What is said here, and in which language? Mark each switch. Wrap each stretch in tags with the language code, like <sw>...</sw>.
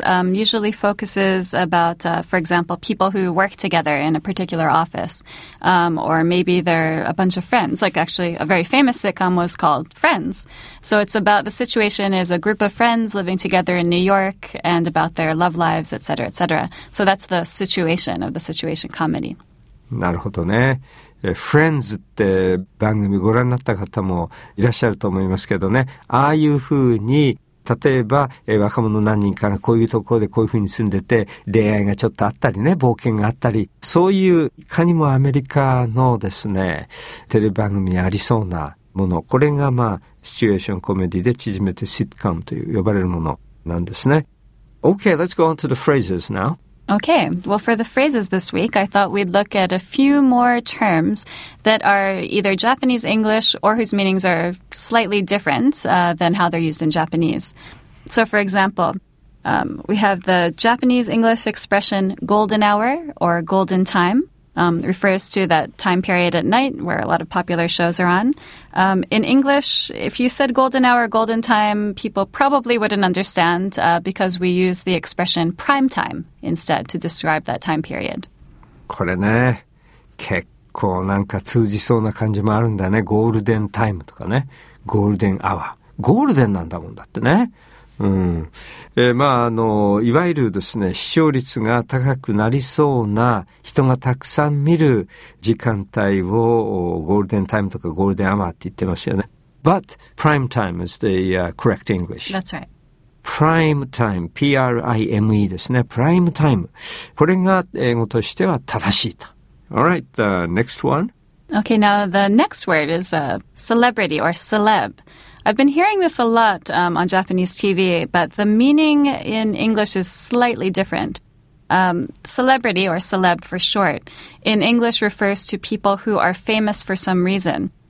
<en>Usually focuses about, for example, people who work together in a particular office. Or maybe they're a bunch of friends. Like actually a very famous sitcom was called Friends. So it's about the situation is a group of friends living together in New York and about their love lives, et cetera, et cetera. So that's the situation of the situation comedy.</en> <ja>なるほどね。フレンズって番組ご覧になった方もいらっしゃると思いますけどね。ああいうふうに、例えば、若者何人かがこういうところでこういうふうに住んでて、恋愛がちょっとあったりね、冒険があったり、そういう、いかにもアメリカのですね、テレビ番組にありそうなもの。これがまあ、シチュエーションコメディで縮めてシットカムという呼ばれるものなんですね。</ja> <en>Okay, let's go on to the phrases now. Okay, well, for the phrases this week, I thought we'd look at a few more terms that are either Japanese English or whose meanings are slightly different, than how they're used in Japanese. So, for example, we have the Japanese English expression golden hour or golden time, refers to that time period at night where a lot of popular shows are on. In English, if you said golden hour, golden time, people probably wouldn't understand, because we use the expression prime time. Instead, to describe that time period.</en> <ja>これね、結構なんか通じそうな感じもあるんだね。ゴールデンタイムとかね。ゴールデンアワー。ゴールデンなんだもんだってね。うん。まあ、いわゆるですね、視聴率が高くなりそうな人がたくさん見る時間帯をゴールデンタイムとかゴールデンアワーって言ってますよね。</ja> <en>But prime time is the correct English. That's right. Prime time, P-R-I-M-E ですね。Prime time。</en> <ja>これが英語としては正しいと。</ja> <en>Alright, the next one. Okay, now the next word is celebrity or celeb. I've been hearing this a lot on Japanese TV, but the meaning in English is slightly different. Celebrity or celeb for short, in English refers to people who are famous for some reason.</en>